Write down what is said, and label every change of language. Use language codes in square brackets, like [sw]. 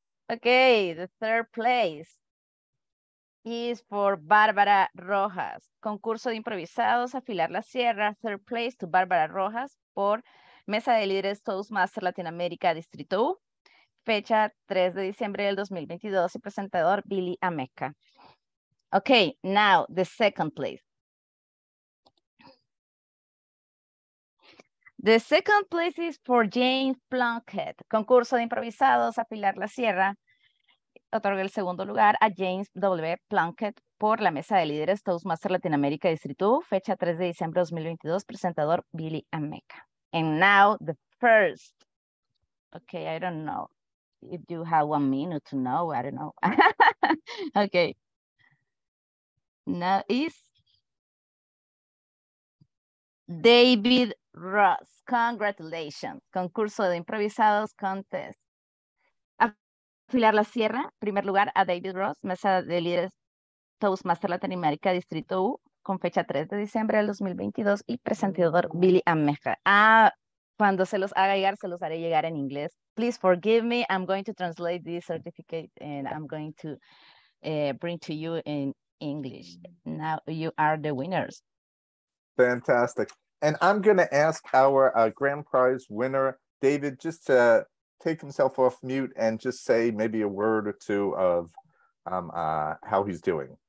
[en] Okay, the third place is for Bárbara Rojas. [es] Concurso de improvisados, afilar la sierra, [en] third place to [es] Bárbara Rojas por Mesa de Líderes Toastmaster Latinoamérica Distrito U, fecha 3 de diciembre del 2022 y presentador Billy Ameca. [en] Okay, now the second place. The second place is for James Plunkett. [es] Concurso de improvisados, afilar la sierra. Otorga el segundo lugar a James W. Plunkett por la Mesa de Líderes Toastmaster Latinoamérica Distrito U, fecha 3 de diciembre de 2022, presentador Billy Ameca. [en] And now the first. Okay, I don't know if you have 1 minute to know. I don't know. Okay. Now is David Ross. Congratulations. [es] Concurso de improvisados contest. Afilar la sierra. Primer lugar a David Ross, Mesa de Líderes Toastmaster Latinoamérica Distrito U, con fecha 3 de diciembre del 2022 y presentador Billy Ameja. Cuando se los haga llegar, se los haré llegar en inglés. [en] Please forgive me. I'm going to translate this certificate and I'm going to bring to you in English. Now you are the winners. Fantastic. And I'm going to ask our grand prize winner, David, just to take himself off mute and just say maybe a word or two of how he's doing.